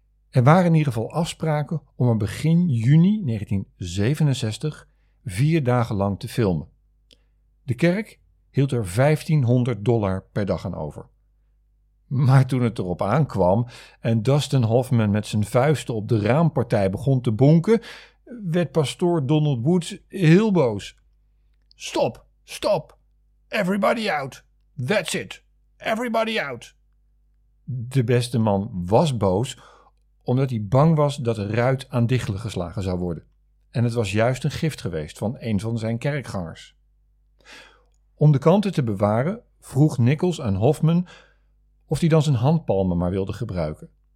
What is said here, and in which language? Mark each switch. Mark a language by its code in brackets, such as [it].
[nl] Er waren in ieder geval afspraken om er begin juni 1967 4 dagen lang te filmen. De kerk hield er $1500 per dag aan over. Maar toen het erop aankwam en Dustin Hoffman met zijn vuisten op de raampartij begon te bonken, werd pastoor Donald Woods heel boos. [en] Stop, stop, everybody out, that's it, everybody out. [nl] De beste man was boos, omdat hij bang was dat de ruit aan dichtelen geslagen zou worden. En het was juist een gift geweest van een van zijn kerkgangers. Om de kanten te bewaren vroeg Nichols aan Hoffman of hij dan zijn handpalmen maar wilde gebruiken.